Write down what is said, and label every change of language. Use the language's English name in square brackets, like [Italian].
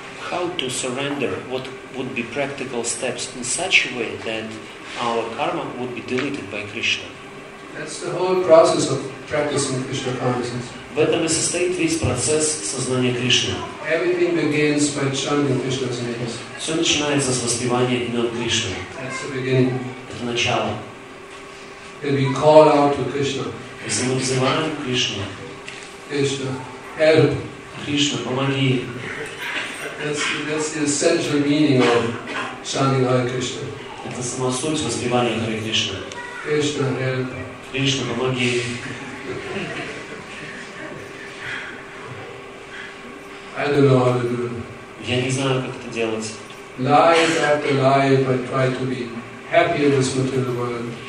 [English] How to surrender? What would be practical steps in such a way that our karma would be deleted by Krishna? That's the whole process of practicing Krishna consciousness. [Russian] В этом и состоит весь процесс сознания Кришны. [English] Everything begins by chanting Krishna's names. [Russian] Все начинается с воспевания имен Кришны. [English] That's the beginning. [Russian] Это начало. [English] And we call out to Krishna. [Russian] Если мы взываем Кришну, [English] Кришна, help, [Russian] Кришна, помоги. [English] That's the essential meaning of chanting Hare Krishna. [Russian] Это сама суть воспевания Хари Кришны. [English] Кришна, help. [Russian] Кришна, помоги. [English] I don't know how to do it. [Russian] Я не знаю, как это делать. [English] Life after life, I try to be happy in this material world.